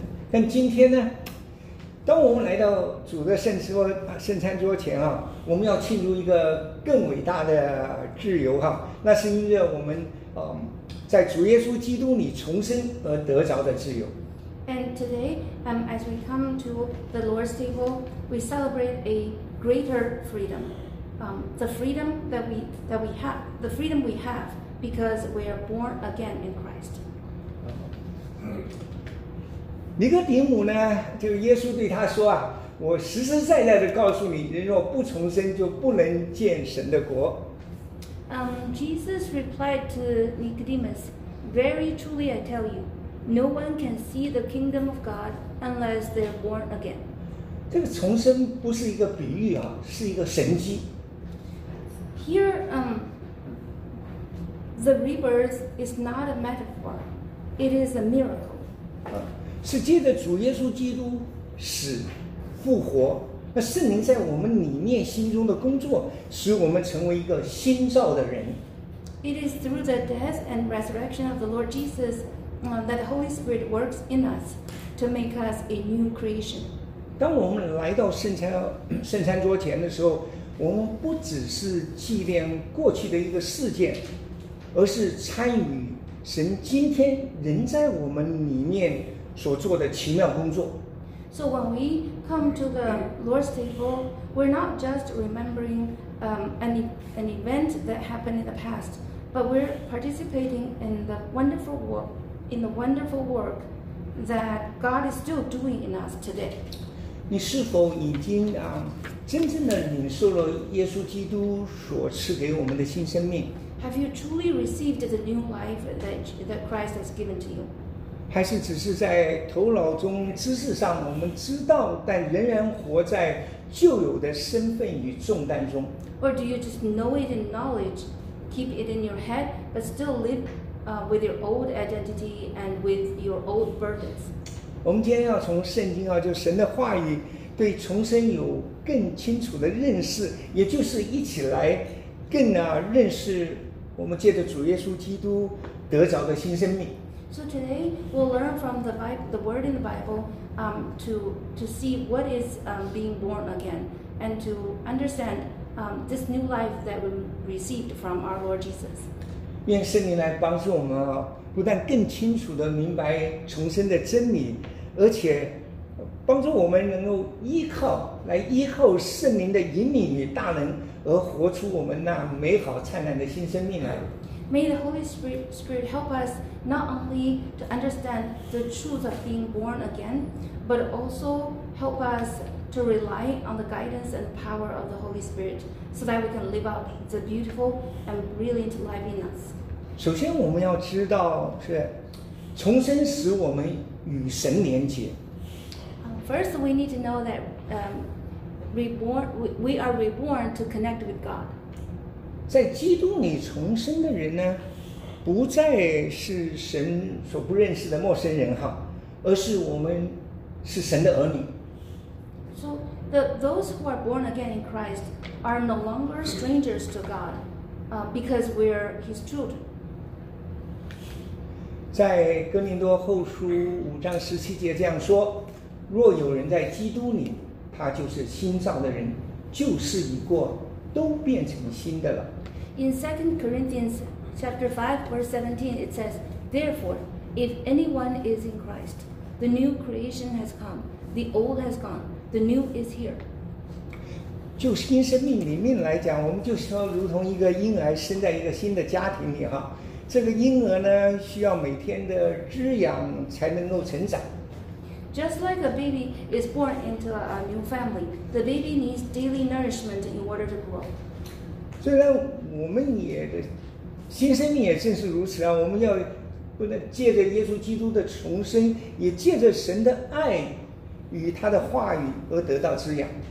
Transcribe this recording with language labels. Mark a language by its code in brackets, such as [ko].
[zh] 但今天呢，当我们来到主的圣餐桌前啊，我们要庆祝一个更伟大的自由哈、啊，那是因为我们在主耶稣基督里重生而得着的自由。 [en] And today, as we come to the Lord's table, we celebrate a greater freedom. The freedom we have because we are born again in Christ. [zh] 尼哥底母呢，就耶稣对他说啊，我实实在在的告诉你，人若不重生，就不能见神的国。 [en] Jesus replied to Nicodemus, "Very truly I tell you." No one can see the kingdom of God unless they're born again. [zh] 这个重生不是一个比喻啊，是一个神迹。 [en] Here, the rebirth is not a metaphor; it is a miracle. [zh] 是借着主耶稣基督死、复活，那圣灵在我们里面心中的工作，使我们成为一个新造的人。 [en] It is through the death and resurrection of the Lord Jesus. That the Holy Spirit works in us to make us a new creation. [zh] 当我们来到圣餐桌前的时候，我们不只是纪念过去的一个事件，而是参与神今天仍在我们里面所做的奇妙工作。 [en] So when we come to the Lord's table, we're not just remembering an event that happened in the past, but we're participating in the wonderful work. In the wonderful work that God is still doing in us today. [zh] 你是否已经真正的领受了耶稣基督所赐给我们的新生命？ [en] Have you truly received the new life that Christ has given to you? [zh] 还是只是在头脑中知识上我们知道，但仍然活在旧有的身份与重担中？ [en] Or do you just know it in knowledge, keep it in your head, but still live? With your old identity and with your old burdens. [zh] 我们今天要从圣经啊，就神的话语，对重生有更清楚的认识，也就是一起来更认识我们借着主耶稣基督得着的新生命。 [en] So today we'll learn from the word in the Bible, to see what is being born again, and to understand this new life that we received from our Lord Jesus. [zh] 愿圣灵来帮助我们啊，不但更清楚地明白重生的真理，而且帮助我们能够依靠圣灵的引领与大能，而活出我们那美好灿烂的新生命来。 [en] May the Holy Spirit help us not only to understand the truth of being born again, but also help us to rely on the guidance and power of the Holy Spirit so that we can live out the beautiful and brilliant life in us. [zh] 首先我们要知道是重生使我们与神连接。 [en] First, we need to know that we are reborn to connect with God. [zh] 在基督里重生的人呢，不再是神所不认识的陌生人哈，而是我们是神的儿女。 [en] So those who are born again in Christ are no longer strangers to God, because we are His children. [zh] 在哥林多后书五章十七节这样说。若有人在基督里，他就是新造的人，旧事已过，都变成新的了。 [en] In 2 Corinthians chapter 5 verse 17, it says, "Therefore, if anyone is in Christ, the new creation has come. The old has gone. The new is here." [zh] 就新生命里面来讲，我们就说如同一个婴儿生在一个新的家庭里哈，这个婴儿呢，需要每天的滋养才能够成长。 [en] Just like a baby is born into a new family, the baby needs daily nourishment in order to grow. [zh] 虽然我们也的新生命也正是如此啊，我们要不能借着耶稣基督的重生，也借着神的爱与他的话语而得到滋养。